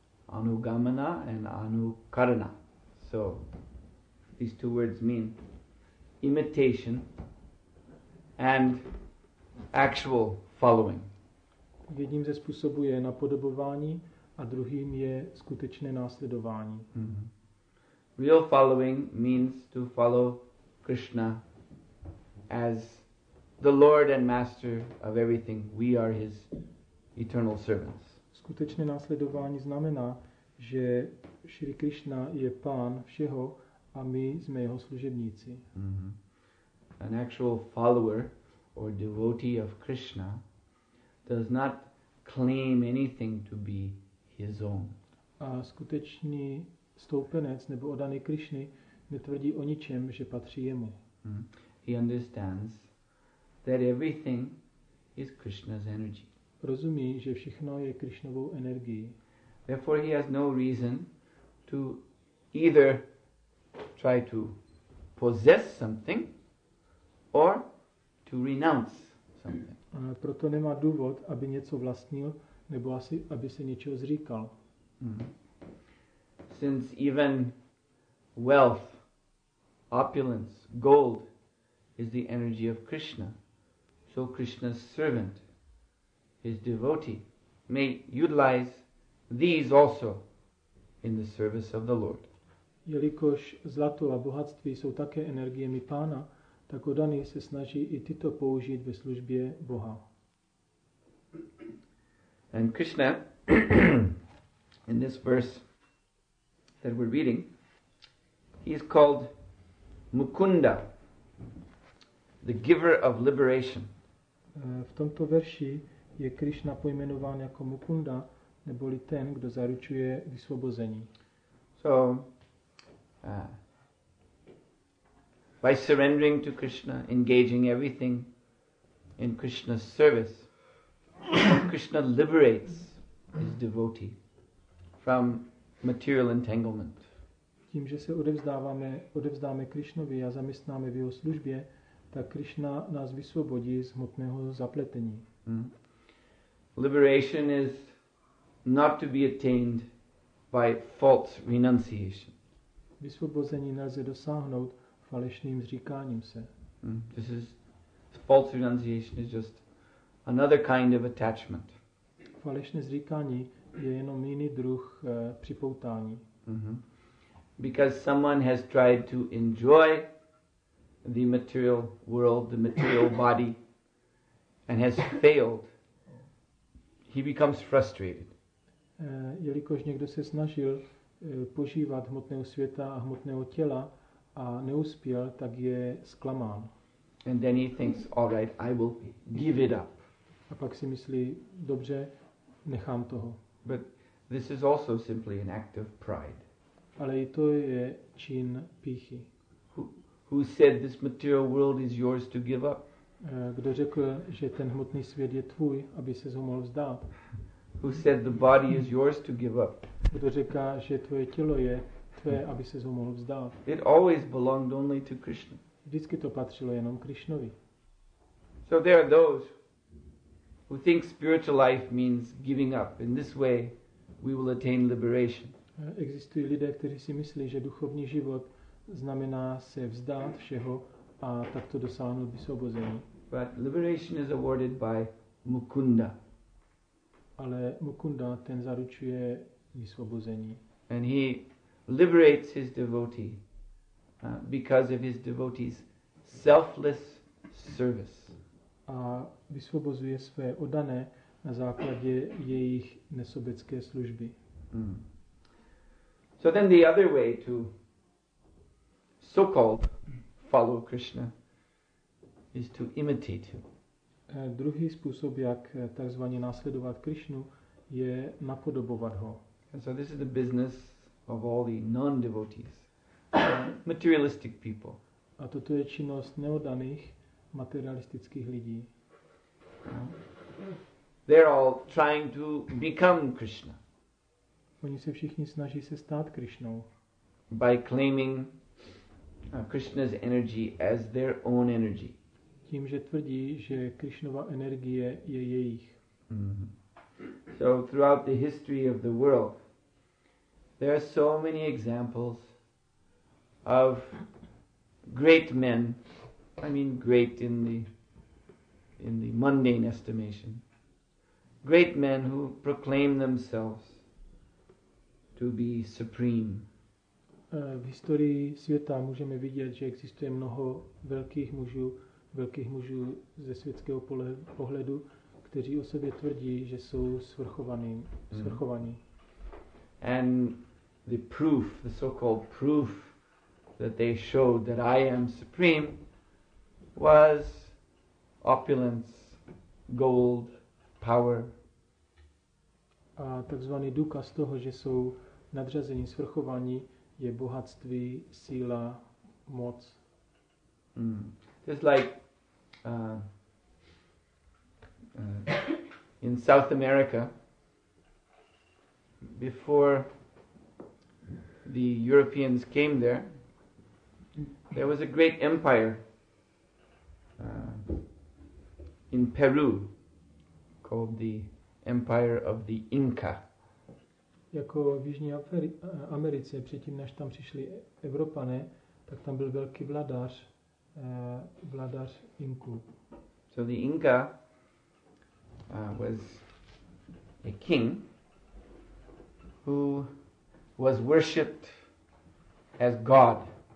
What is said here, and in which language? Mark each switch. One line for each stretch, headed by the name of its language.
English: Anugamana and anukarana. So these two words mean imitation and actual following.
Czech: Jedním ze způsobů je napodobování a druhým je skutečné následování. Mm-hmm.
English: Real following means to follow Krishna as the Lord and Master of everything. We are His eternal servants.
Czech: Skutečné následování znamená, že Shri Krishna je pán všeho a my jsme jeho služebníci.
English: Mm-hmm. An actual follower or devotee of Krishna does not claim anything to be his own.
Czech: A skutečný stoupenec nebo oddaný Krishny netvrdí o ničem, že patří jemu.
English: Mm-hmm. He understands that everything is Krishna's energy.
Czech: Rozumí, že všechno je Krishnovou energií.
English: Therefore he has no reason to either try to possess something or to renounce something.
Czech: A proto nemá důvod, aby něco vlastnil nebo asi aby se něčeho zříkal. Mm-hmm.
English: Since even wealth, opulence, gold is the energy of Krishna, so Krishna's servant, his devotee, may utilize these also in the service of the Lord.
Czech: Jelikož zlato a bohatství jsou také energiemi pána, tak oddaný se snaží i tyto použít ve službě Boha.
English: And Krishna, in this verse that we're reading, he is called Mukunda, the giver of liberation.
Czech: V tomto verši je Krishna pojmenován jako Mukunda, neboli ten, kdo zaručuje vysvobození.
English: So, by surrendering to Krishna, engaging everything in Krishna's service, Krishna liberates his devotee from material entanglement.
Czech: tím, že se odevzdáme Krišnovi a zaměstnáme v jeho službě, tak Krišna nás vysvobodí z hmotného zapletení.
English: Liberation is not to be attained by false renunciation.
Czech: Vysvobození nelze dosáhnout falešným zříkáním se.
English: This is false renunciation is just another kind of attachment.
Czech: Falešné zříkání je jenom jiný druh připoutání.
English: Because someone has tried to enjoy the material world, the material body, and has failed, he becomes frustrated.
Czech: Jelikož někdo se snažil požívat hmotného světa a hmotného těla a neuspěl, tak je zklamán.
English: And then he thinks, all right, I will give it up.
Czech: A pak si myslí, dobře, nechám toho.
English: But this is also simply an act of pride.
Czech: Ale i to je čin pýchy.
English: Who said this material world is yours to give up?
Czech: Kdo řekl, že ten hmotný svět je tvůj, aby ses ho mohl vzdát?
English: Who said the body is yours to give up?
Czech: Kdo říká, že tvoje tělo je tvé, aby ses ho mohl vzdát?
English: It always belonged only to Krishna.
Czech: Vždycky to patřilo jenom Krišnovi.
English: So there are those who think spiritual life means giving up. In this way we will attain liberation.
Czech: Existují lidé, kteří si myslí, že duchovní život znamená se vzdát všeho a takto dosáhnout vysvobození.
English: But liberation is awarded by Mukunda.
Czech: Ale Mukunda, ten zaručuje vysvobození.
English: And he liberates his devotee because of his devotee's selfless service.
Czech: A vysvobozuje své oddané na základě jejich nesobecké služby.
English: So then the other way to so-called follow Krishna is to imitate him.
Czech: Druhý způsob, jak takzvaně následovat Krišnu, je napodobovat ho.
English: And so this is the business of all the non-devotees, materialistic people.
Czech: A toto je činnost neoddaných materialistických lidí.
English: They're all trying to become Krishna.
Czech: Oni se všichni snaží se stát Krišnou.
English: By claiming Krishna's energy as their own energy.
Czech: Tím, že tvrdí, že Krišnova energie je jejich.
English: So throughout the history of the world, there are so many examples of great men, I mean great in the mundane estimation, great men who proclaim themselves to be supreme.
Czech: V historii světa můžeme vidět, že existuje mnoho velkých mužů ze světského pohledu, kteří o sobě tvrdí, že jsou svrchovaní.
English: And the proof, the so-called proof that they showed that I am supreme was opulence, gold, power.
Czech: A takzvaný důkaz toho, že jsou nadřazení svrchovaní, je bohatství, síla, moc.
English: Just like in South America, before the Europeans came there, there was a great empire in Peru called the Empire of the Inca.
Czech: Jako v Jižní Americe, předtím než tam přišli Evropané, tak tam byl velký vladař Inku.
English: So the Inca was a king who was worshipped as God.